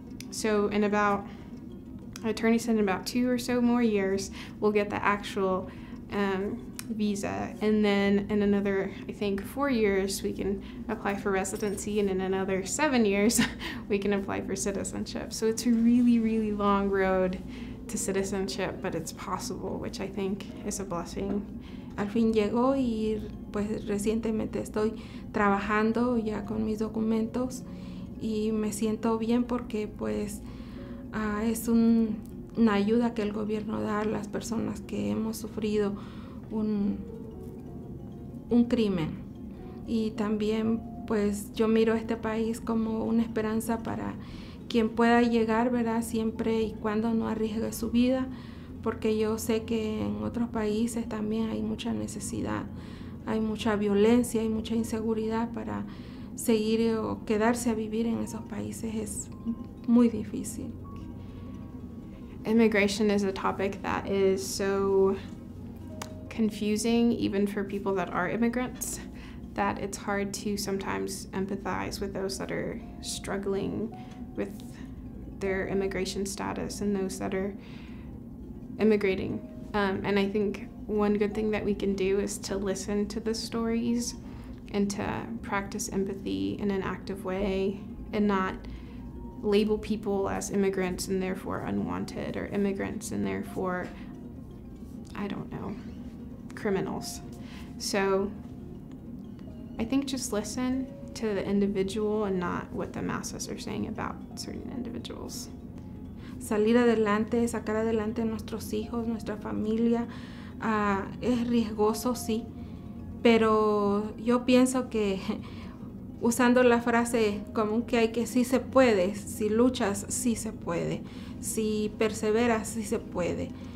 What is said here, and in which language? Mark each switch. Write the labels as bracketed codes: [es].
[en] So in about, attorney said, in about 2 or so more years we'll get the actual visa, and then in another, I think, 4 years we can apply for residency, and in another 7 years we can apply for citizenship. So it's a really, really long road to citizenship, but it's possible, which I think is a blessing. [es] Al fin llegó y pues recientemente estoy trabajando ya con mis documentos y me siento bien porque pues es una ayuda que el gobierno da a las personas que hemos sufrido un crimen. Y también pues yo miro este país como una esperanza para quien pueda llegar, ¿verdad? Siempre y cuando no arriesgue su vida, porque yo sé que en otros países también hay mucha necesidad, hay mucha violencia, hay mucha inseguridad para seguir o quedarse a vivir en esos países es muy difícil. [en] Immigration is a topic that is so confusing even for people that are immigrants, that it's hard to sometimes empathize with those that are struggling with their immigration status and those that are immigrating. And I think one good thing that we can do is to listen to the stories and to practice empathy in an active way and not label people as immigrants and therefore unwanted, or immigrants and therefore, I don't know, criminals. So I think just listen to the individual and not what the masses are saying about certain individuals. [es] Salir adelante, sacar adelante a nuestros hijos, nuestra familia, es riesgoso, sí, pero yo pienso que usando la frase común que hay, que sí se puede, si luchas, sí se puede, si perseveras, sí se puede.